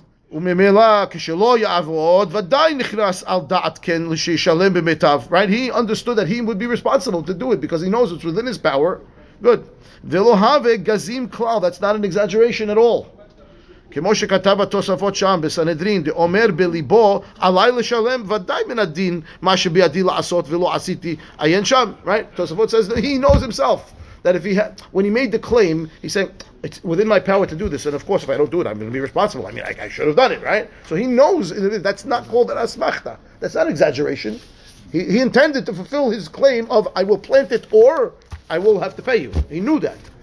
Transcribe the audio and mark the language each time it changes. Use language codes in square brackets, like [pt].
[en] Right, he understood that he would be responsible to do it because he knows it's within his power. Good. That's not an exaggeration at all. [he] כמו שכתב בתוספות שם בסנהדרין אומר בליבו עליי לשלם ודאי מן הדין מה שבידי לעשות ולא עשיתי עיין שם, [en] right? תוספות says that he knows himself that if he had, when he made the claim, he said, it's within my power to do this, and of course if I don't do it, I'm going to be responsible. I mean, I should have done it, right? So he knows that's not called an asmachta. That's not exaggeration. He intended to fulfill his claim of I will plant it or I will have to pay you. He knew that.